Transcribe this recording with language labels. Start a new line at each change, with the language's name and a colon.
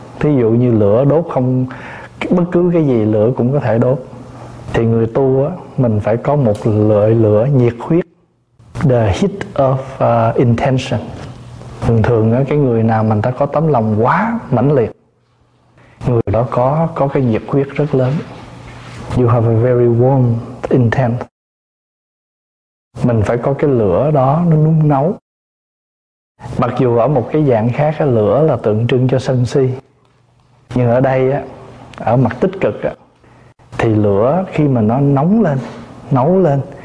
Vietnamese: Thí dụ như lửa đốt không, bất cứ cái gì lửa cũng có thể đốt. Thì người tu á, mình phải có một loại lửa nhiệt huyết,
English: the heat of intention.
Vietnamese: Thường thường á, cái người nào mà ta có tấm lòng quá mãnh liệt, người đó có cái nhiệt huyết rất lớn.
English: You have a very warm intent.
Vietnamese: Mình phải có cái lửa đó, nó nung nấu. Mặc dù ở một cái dạng khác, cái lửa là tượng trưng cho sân si, nhưng ở đây á, ở mặt tích cực á, thì lửa khi mà nó nóng lên, nấu lên,